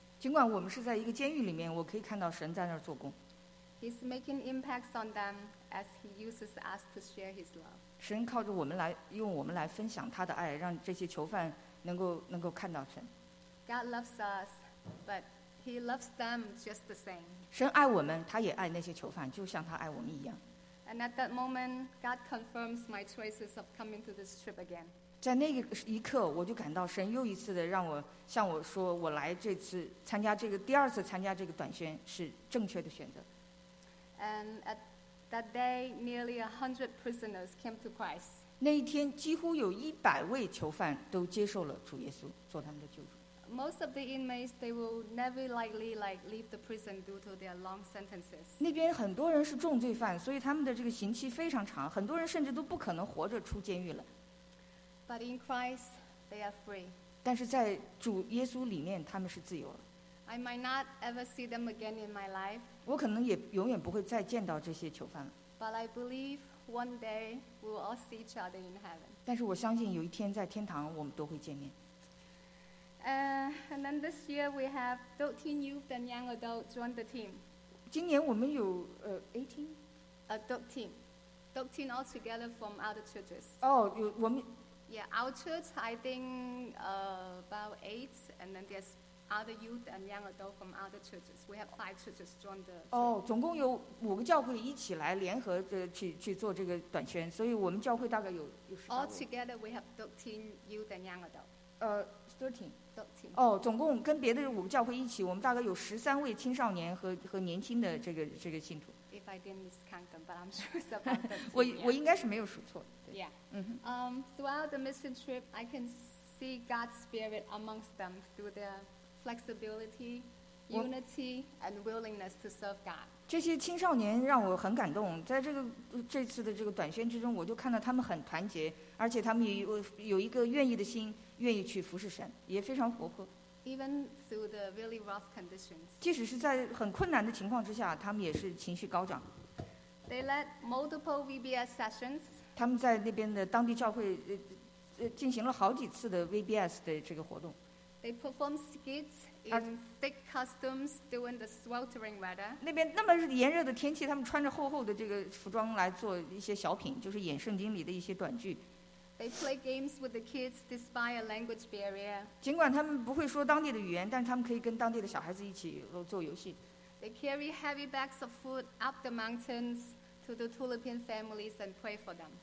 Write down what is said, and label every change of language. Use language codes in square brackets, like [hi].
[zh] 尽管我们是在一个监狱里面，我可以看到神在那儿做工。 [en] He's making impacts on them as he uses us to share his love. [zh] 神靠着我们来，用我们来分享他的爱，让这些囚犯能够看到神。 [en] God loves us, but he loves them just the same. [zh] 神爱我们，他也爱那些囚犯，就像他爱我们一样。 [en] And at that moment, God confirms my choices of coming to this trip again. [zh] 在那个一刻，我就感到神又一次的让我向我说，我来这次参加这个第二次参加这个短宣是正确的选择。 [en] And at that day, nearly 100 prisoners came to Christ. [zh] 那一天，几乎有100位囚犯都接受了主耶稣做他们的救主。 [en] Most of the inmates, they will never likely like leave the prison due to their long sentences. [zh] 那边很多人是重罪犯，所以他们的这个刑期非常长，很多人甚至都不可能活着出监狱了。 [en] But in Christ, they are free. [zh] 但是在主耶稣里面，他们是自由了。 [en] I might not ever see them again in my life. [zh] 我可能也永远不会再见到这些囚犯了。 [en] But I believe one day we will all see each other in heaven. [zh] 但是我相信有一天在天堂，我们都会见面。 [en] And then this year we have 13 youth and young adults join the team. [zh] 今年我们有18 [en] adult team, 13 all together from other churches. [zh] Oh, 有我们 [en] Yeah, our church I think about 8, and then there's other youth and young adults from other churches. We have 5 churches join the. [zh] Oh, 总共有五个教会一起来联合的去做这个短宣，所以我们教会大概有十。 [en] All together we have 13 youth and young adults. [zh] 13哦，总共跟别的五个教会一起，我们大概有13位青少年和年轻的这个信徒。 [en] If I didn't miscount them, but I'm sure it's about 13. [zh] 我应该是没有数错。 [en] Yeah. Throughout the mission trip, I can see God's spirit amongst them through their flexibility, unity, and willingness to serve God. [zh] 这些青少年让我很感动，在这次的这个短宣之中，我就看到他们很团结，而且他们有一个愿意的心。愿意去服侍神，也非常活泼。 [en] Even through the really rough conditions, [zh] 即使是在很困难的情况之下，他们也是情绪高涨。 [en] They led multiple VBS sessions. [zh] 他们在那边的当地教会进行了好几次的 VBS 的这个活动。 [en] They performed skits in thick costumes during the sweltering weather. [zh] 那边那么炎热的天气，他们穿着厚厚的这个服装来做一些小品，就是演圣经里的一些短剧。 [en] They play games with the kids despite a language barrier. [zh] 尽管他们不会说当地的语言，但是他们可以跟当地的小孩子一起做游戏。 [en] They carry heavy bags of food up the mountains to the Tulipin families and pray for them.